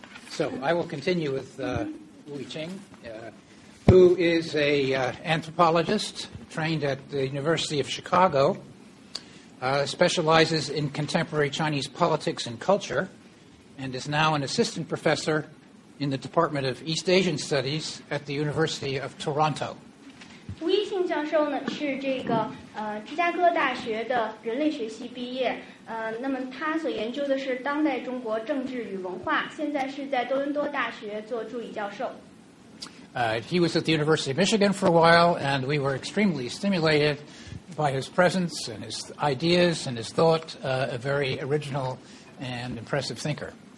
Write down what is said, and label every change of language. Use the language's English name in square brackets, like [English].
[English] So I will continue with Wu Yiqing, who is an anthropologist trained at the University of Chicago, specializes in contemporary Chinese politics and culture, and is now an assistant professor in the Department of East Asian Studies at the University of Toronto. [Chinese] 吴一庆教授呢是这个芝加哥大学的人类学系毕业，那么他所研究的是当代中国政治与文化，现在是在多伦多大学做助理教授。He [English] was at the University of Michigan for a while, and we were extremely stimulated by his presence and his ideas and his thought, a very original and impressive thinker.